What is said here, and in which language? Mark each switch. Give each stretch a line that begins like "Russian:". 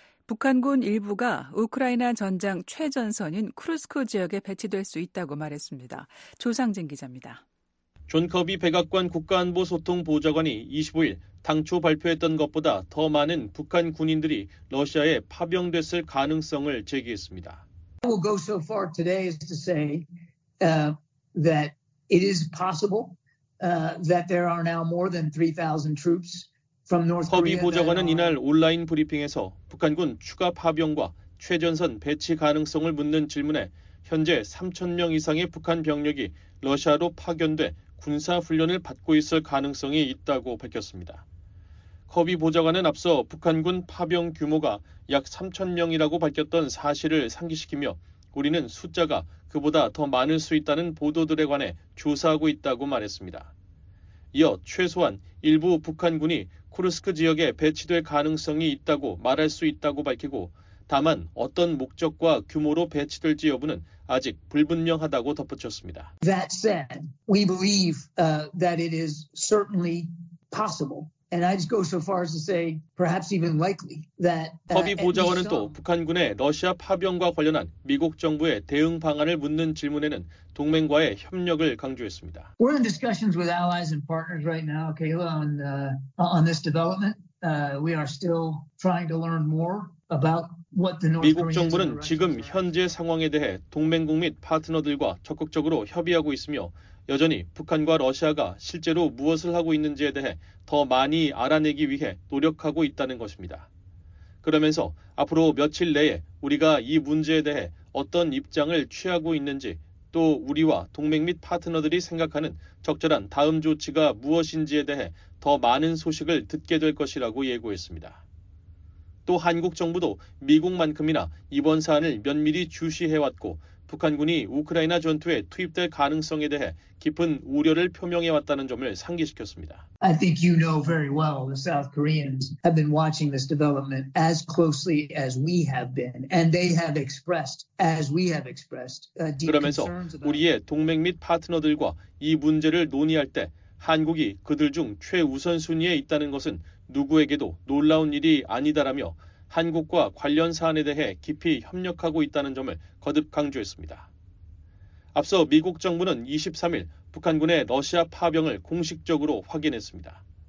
Korean: 북한군 일부가 우크라이나 전장 최전선인 쿠르스크 지역에 배치될 수 있다고 말했습니다. 조상진 기자입니다. 존 커비 백악관 국가안보소통보좌관이 25일 당초 발표했던 것보다 더 많은 북한 군인들이 러시아에 파병됐을 가능성을 제기했습니다.
English: I will go so far today as to say that it is possible that there are now more than 3,000 troops from North Korea.
Korean: 커비 보좌관은 이날 온라인 브리핑에서 북한군 추가 파병과 최전선 배치 가능성을 묻는 질문에 현재 3,000명 이상의 북한 병력이 러시아로 파견돼 군사 훈련을 받고 있을 가능성이 있다고 밝혔습니다. 커비 보좌관은 앞서 북한군 파병 규모가 약 3,000명이라고 밝혔던 사실을 상기시키며 우리는 숫자가 그보다 더 많을 수 있다는 보도들에 관해 조사하고 있다고 말했습니다. 이어 최소한 일부 북한군이 쿠르스크 지역에 배치될 가능성이 있다고 말할 수 있다고 밝히고 다만 어떤 목적과 규모로 배치될지 여부는 아직 불분명하다고 덧붙였습니다.
English: That said, we believe that it is certainly possible, and I just go so far as to say perhaps even likely that.
Korean: 허비 보좌관은 또 북한군의 러시아 파병과 관련한 미국 정부의 대응 방안을 묻는 질문에는 동맹과의 협력을 강조했습니다.
English: We're in discussions with allies and partners right now, Kayla, on this development. We are still trying to learn more about what the North.
Korean: 미국 정부는 지금 현재 상황에 대해 동맹국 및 파트너들과 적극적으로 협의하고 있으며 여전히 북한과 러시아가 실제로 무엇을 하고 있는지에 대해 더 많이 알아내기 위해 노력하고 있다는 것입니다. 그러면서 앞으로 며칠 내에 우리가 이 문제에 대해 어떤 입장을 취하고 있는지 또 우리와 동맹 및 파트너들이 생각하는 적절한 다음 조치가 무엇인지에 대해 더 많은 소식을 듣게 될 것이라고 예고했습니다. 또 한국 정부도 미국만큼이나 이번 사안을 면밀히 주시해왔고 북한군이 우크라이나 전투에 투입될 가능성에 대해 깊은 우려를 표명해 왔다는 점을 상기시켰습니다.
English: I think you know very well the South Koreans have been watching this development as closely as we have been and they have expressed as we have expressed deep concerns about
Korean: 그러면서 우리의 동맹 및 파트너들과 이 문제를 논의할 때 한국이 그들 중 최우선 순위에 있다는 것은 누구에게도 놀라운 일이 아니다라며 한국과 관련 사안에 대해 깊이 협력하고 있다는 점을 거듭 강조했습니다. 앞서 미국 정부는 23일 북한군의 러시아 파병을 공식적으로 확인했습니다.